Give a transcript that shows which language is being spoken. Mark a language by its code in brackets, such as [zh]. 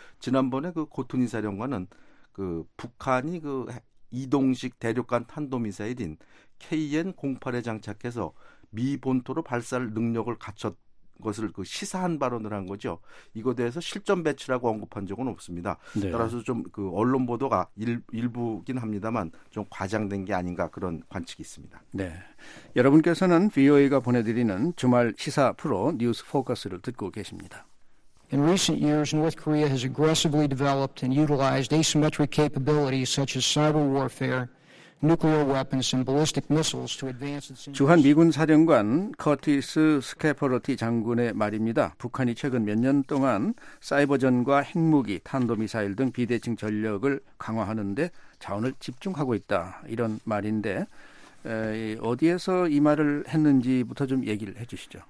[ko] 지난번에 그 고트니 사령관은 그 북한이 그 이동식 대륙간 탄도미사일인 KN-08에 장착해서 미 본토로 발사할 능력을 갖췄 것을 그 시사한 발언을 한 거죠. 이거에 대해서 실전 배치라고 언급한 적은 없습니다. 네. 따라서 좀 그 언론 보도가 일부긴 합니다만 좀 과장된 게 아닌가 그런 관측이 있습니다. 네. 여러분께서는 VOA가 보내드리는 주말 시사 프로 뉴스 포커스를 듣고 계십니다. [en] In recent years, North Korea has aggressively developed and utilized asymmetric capabilities such as cyber warfare, nuclear weapons and ballistic missiles to advance its. [ko] 주한 미군 사령관 커티스 스케퍼러티 장군의 말입니다. 북한이 최근 몇 년 동안 사이버전과 핵무기, 탄도미사일 등 비대칭 전력을 강화하는데 자원을 집중하고 있다 이런 말인데, 어디에서 이 말을 했는지부터 좀 얘기를 해주시죠.